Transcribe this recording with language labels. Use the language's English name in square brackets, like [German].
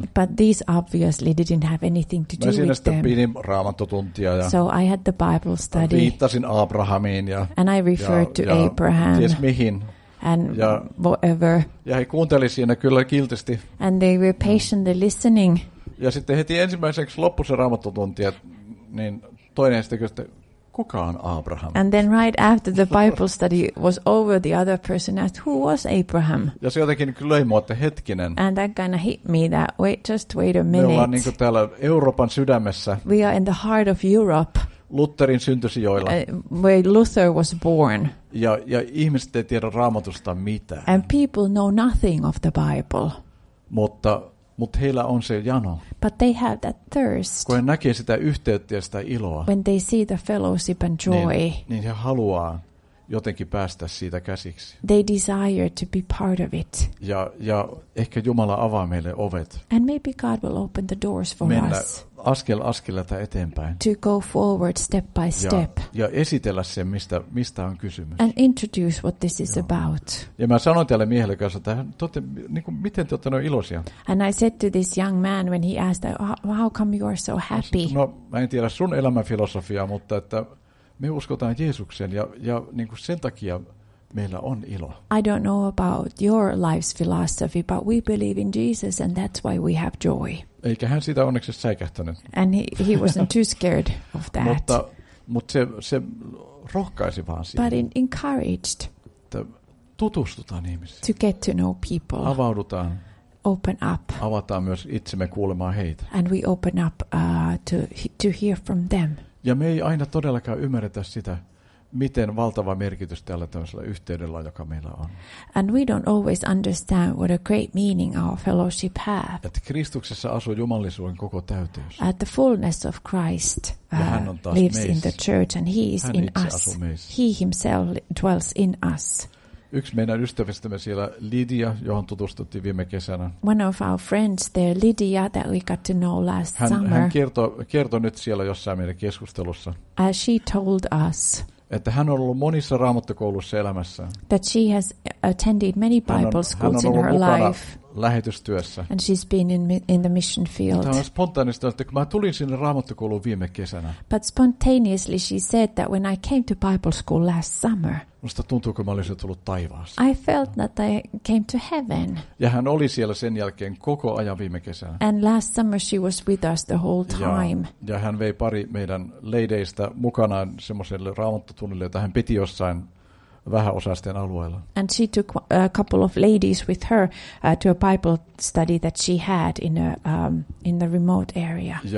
[English] But these obviously didn't have anything to do with them. [Finnish] Mä pidin raamattotuntia. [English] So I had the Bible study. [Finnish] Viittasin Abrahamiin. [English] And I referred to Abraham. [Finnish] Ties mihin. [English] And whatever. [Finnish] Ja he kuunteli siinä kyllä kiltisti. [English] And they were patiently listening. [Finnish] Ja sitten heti ensimmäiseksi loppui se raamattotuntia, niin toinen sitten kysyi, kuka on Abraham? [English] And then right after the Bible study was over, the other person asked, who was Abraham? [Finnish] Ja se jotenkin löi mua, että hetkinen. [English] And that kind of hit me that, wait a minute. [Finnish] Me ollaan niin kuin täällä Euroopan sydämessä. [English] We are in the heart of Europe. [Finnish] Lutherin syntysijoilla. [English] Where Luther was born. [Finnish] Ja ihmiset ei tiedä Raamatusta mitään. [English] And people know nothing of the Bible. [Finnish] Mutta heillä on se jano. [English] But they have that thirst. [Finnish] Kun he näkee sitä yhteyttä ja sitä iloa. [English] When they see the fellowship and joy. [Finnish] Niin he haluaa jotenkin päästä siitä käsiksi. [English] They desire to be part of it. [Finnish] Ja ehkä Jumala avaa meille ovet. [English] And maybe God will open the doors for [Finnish] mennä [English] us. [Finnish] Askel askeleta eteenpäin. [English] To go forward step by step. [Finnish] Ja esitellä sen, mistä on kysymys. [English] And introduce what this is about. [Finnish] Ja mä sanoin tälle miehelle kanssa, että miten te olette noin iloisia? [English] And I said to this young man when he asked, how come you are so happy? [Finnish] No, mä en tiedä sun elämänfilosofiaa, mutta että me uskotaan Jeesukseen ja niin kuin sen takia meillä on ilo. [English] I don't know about your life's philosophy, but we believe in Jesus and that's why we have joy. [Finnish] Eikä hän sitä onneksi säikähtänyt. [English] And he wasn't too scared of that. [Finnish] Mutta Mutta se rohkaisi vaan siihen. [English] But encouraged. [Finnish] Tutustutaan ihmisiin. [English] To get to know people. [Finnish] Avaudutaan. [English] Open up. [Finnish] Avataan myös itsemme kuulemaan heitä. [English] And we open up to hear from them. [Finnish] Ja me ei aina todellakaan ymmärretä sitä, miten valtava merkitys tällä tämmöisellä yhteydellä, joka meillä on. [English] And we don't always understand what a great meaning our fellowship have. [Finnish] Että Kristuksessa asuu jumalisuuden koko täyteys. [English] At the fullness of Christ lives [Finnish] meissä. [English] In the church and he is [Finnish] hän [English] in us. He himself dwells in us. [Finnish] Yksi meidän ystävistämme siellä Lydia, johon tutustuttiin viime kesänä. [English] One of our friends there, Lydia, that we got to know last summer. [Finnish] Hän kertoi nyt siellä jossain meidän keskustelussa. [English] As she told us. [Finnish] Että hän on ollut monissa raamattokoulussa elämässä. [English] That she has attended many Bible schools in her life. [Finnish] Lähetystyössä. [English] And she's been in the mission field. [Finnish] Mutta hän on spontaanista, että kun mä tulin sinne raamattokouluun viime kesänä. [English] But spontaneously she said that when I came to Bible school last summer. [Finnish] Musta tuntuu, kun mä olisin tullut taivaaseen. [English] I felt that I came to heaven. [Finnish] Ja hän oli siellä sen jälkeen koko ajan viime kesänä. [English] And last summer she was with us the whole time. [Finnish] Ja hän vei pari meidän leideistä mukanaan semmoiselle raamattotunnille, jota hän piti jossain vähäosaisten alueella. [English] And she took a couple of ladies with her to a Bible study that she had in the remote area.